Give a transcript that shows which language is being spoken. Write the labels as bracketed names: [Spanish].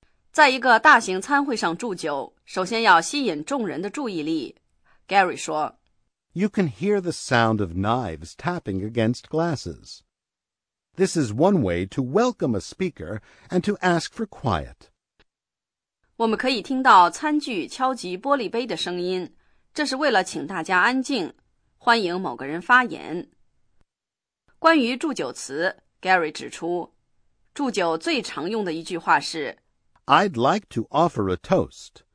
[Chinese] 在一个大型餐会上祝酒，首先要吸引众人的注意力。 Gary 说， [English] You can hear the sound of knives tapping against glasses. This is one way to welcome a speaker and to ask for quiet. [Chinese] 我们可以听到餐具敲击玻璃杯的声音，这是为了请大家安静，欢迎某个人发言。关于祝酒词， Gary 指出，祝酒最常用的一句话是 [English] I'd like to offer a toast.